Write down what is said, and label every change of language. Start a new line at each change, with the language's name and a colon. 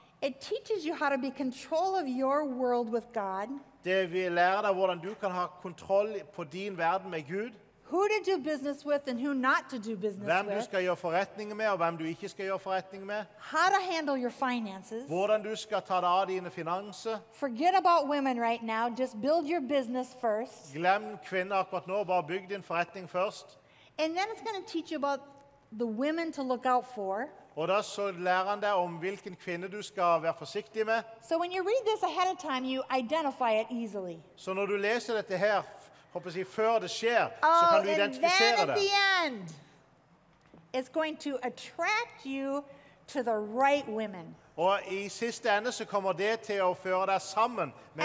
English: It teaches you how to be control of your world with God.
Norwegian: Det lærer deg hvordan du kan ha kontroll på din verden med Gud.
English: Who to do business with and who not to do business
Norwegian: with. Hvem du skal gjøre forretninger med og hvem du ikke skal gjøre forretninger med.
English: How to handle your finances.
Norwegian: Hvordan du skal ta deg av dine finanser.
English: Forget about women right now, just build your business first.
Norwegian: Glem kvinner akkurat nå, bare bygg din forretning først.
English: And then it's going to teach you about the women to look out for.
Norwegian: Og da så lærer han deg om hvilken kvinne du skal være forsiktig med.
English: So when you read this ahead of time, you identify it easily.
Norwegian: Så når du leser dette her, Håper jeg før det skjer, så kan du identifisere det.
English: Oh, and then at the end, it's going to attract you to the right women.
Norwegian: Og I siste ende så kommer det til å føre deg sammen med